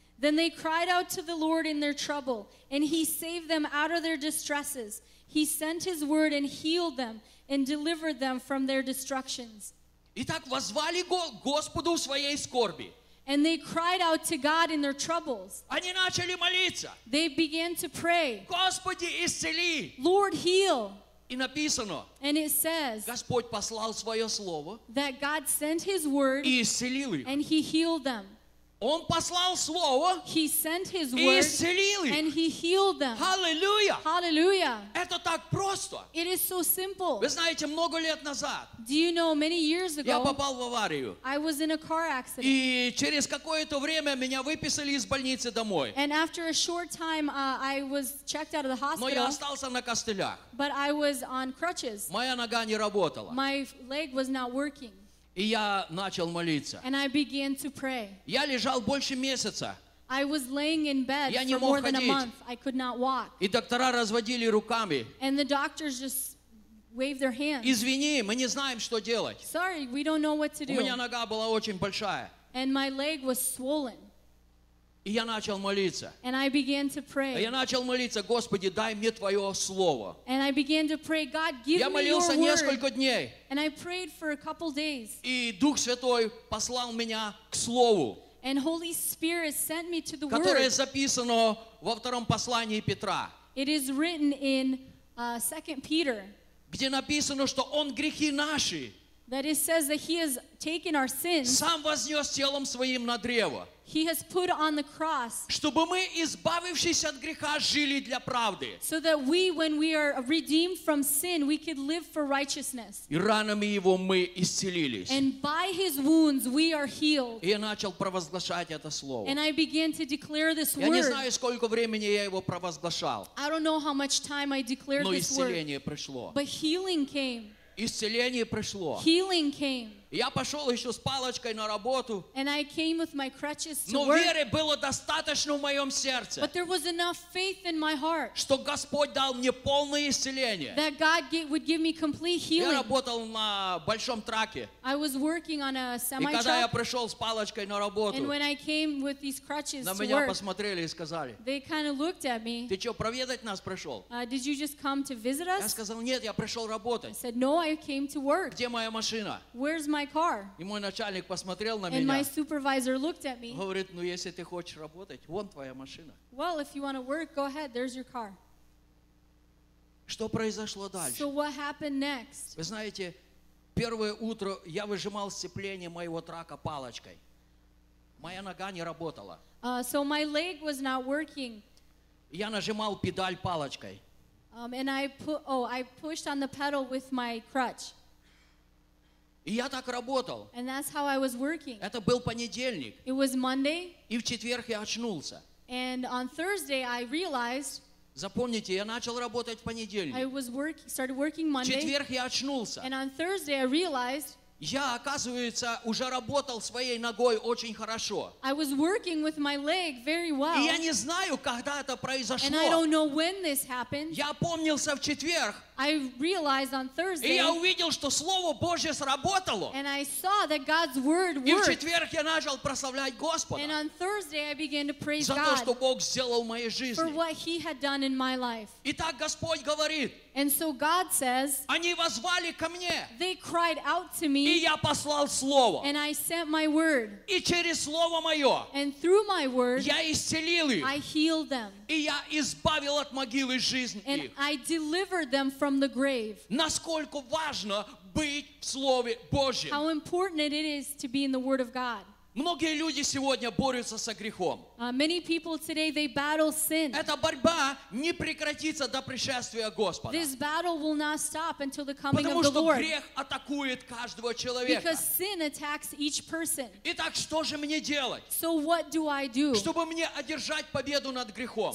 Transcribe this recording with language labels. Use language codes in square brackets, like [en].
[en] Then they cried out to the Lord in their trouble, and He saved them out of their distresses. He sent His word and healed them and delivered them from their destructions. [ru] Итак, воззвали Господу в своей скорби. [en] And they cried out to God in their troubles. [ru] Они начали молиться. [en] They began to pray. [ru] Господи, исцели. [en] Lord, heal. [ru] И написано, [en] and it says, [ru] Господь послал Своё Слово, [en] that God sent His word, [ru] и исцелил их. [en] And He healed them. [ru] Он послал Слово, [en] He sent His word, [ru] и исцелил их. [en] And He healed them. Hallelujah. Hallelujah. [ru] Это так просто. [en] It is so simple. [ru] Вы знаете, много лет назад, [en] do you know, many years ago, [ru] я попал в аварию. [en] I was in a car accident. [ru] И через какое-то время меня выписали из больницы домой. [en] And after a short time, I was checked out of the hospital. [ru] Но я остался на костылях. [en] But I was on crutches. [ru] Моя нога не работала. [en] My leg was not working. [ru] И я начал молиться. [en] And I began to pray. [ru] Я лежал больше месяца. [en] I was laying in bed [ru] я [en] for more [ru] ходить. [en] Than a month. I could not walk. [ru] И доктора разводили руками. [en] And the doctors just waved their hands. [ru] Извини, мы не знаем, что делать. [en] Sorry, we don't know what to do. [ru] У меня нога была очень большая. [en] And my leg was swollen. [ru] И я начал молиться. [en] And I began to pray. [ru] Я начал молиться, Господи, дай мне Твое Слово. [en] And I began to pray, God, give [ru] я молился несколько [en] word. [ru] Дней. [en] And I prayed for a couple days. [ru] И Дух Святой послал меня к Слову. [en] And Holy Spirit sent me to the [ru] которое [en] Word. [ru] Которое записано во втором послании Петра. [en] It is written in 2 Peter. [ru] Где написано, что Он грехи наши. [en] That it says that He has taken our sins. [ru] Сам вознес телом Своим на древо. [en] He has put on the cross [ru] чтобы мы, избавившись от греха, жили для правды. [en] So that we, when we are redeemed from sin, we could live for righteousness. [ru] И ранами Его мы исцелились. [en] And by His wounds we are healed. [ru] И я начал провозглашать это слово. [en] And I began to declare this word. [ru] Я не знаю, сколько времени я его провозглашал. [en] I don't know how much time I declared this word. [ru] Но исцеление пришло. [en] But healing came. [ru] Исцеление пришло. [en] Healing came. [ru] Я пошел еще с палочкой на работу. [en] And I came with my crutches to [ru] но [en] work. [ru] Веры было достаточно в моем сердце. [en] But there was enough faith in my heart. [ru] Что Господь дал мне полное исцеление. [en] That God would give me complete healing. [ru] Я работал на большом траке. [en] I was working on a semi-truck. [ru] И когда я пришел с палочкой на работу, [en] and when I came with these crutches [ru] на меня [en] to work, [ru] посмотрели и сказали, [en] they kind of looked at me. [ru] Ты что, проведать нас пришел? [en] Did you just come to visit us? [ru] Я сказал, нет, я пришел работать. [en] I said, no, I came to work. [ru] Где моя машина? [en] Where's my car? [ru] И мой начальник посмотрел на [en] and [ru] меня. [en] My supervisor looked at me. [ru] Говорит, ну если ты хочешь работать, вон твоя машина. [en] Well, if you want to work, go ahead, there's your car. [ru] Что произошло дальше? [en] So what happened next? [ru] Вы знаете, Первое утро я выжимал сцепление моего трака палочкой. Моя нога не работала. [en] So my leg was not working. [ru] Я нажимал педаль палочкой. [en] And I pushed on the pedal with my crutch. [ru] И я так работал. [en] And that's how I was working. [ru] Это был понедельник. [en] It was Monday. [ru] И в четверг я очнулся. [en] And on Thursday I realized. [ru] Запомните, я начал работать в понедельник. [en] I was started working Monday. [ru] В четверг я очнулся. [en] And on Thursday I realized. [ru] Я, оказывается, уже работал своей ногой очень хорошо. [en] I was working with my leg very well. [ru] И я не знаю, когда это произошло. [en] And I don't know when this happened. [ru] Я опомнился в четверг. [en] I realized on Thursday. [ru] И я увидел, что Слово Божье сработало. [en] And I saw that God's word worked. [ru] И в четверг я начал прославлять Господа. [en] And on Thursday I began to praise God. [ru] За то, что Бог сделал в моей жизни. [en] For what he had done in my life. [ru] Итак, Господь говорит. [en] And so God says. [ru] Они воззвали ко мне. [en] They cried out to me. [ru] И я послал Слово. [en] And I sent my word. [ru] И через Слово Мое. [en] And through my word. [ru] Я исцелил их. [en] I healed them. [ru] И я избавил от могилы жизнь их. [en] And I delivered them from the grave. [ru] Насколько важно быть в Слове Божьем. [en] How important it is to be in the Word of God. [ru] Многие люди сегодня борются со грехом. [en] Many people today, they battle sin. [ru] Эта борьба не прекратится до пришествия Господа. [en] This battle will not stop until the coming of the Lord. [ru] Потому что грех атакует каждого человека. [en] Because sin attacks each person. [ru] Итак, что же мне делать? [en] So what do I do? [ru] Чтобы мне одержать победу над грехом.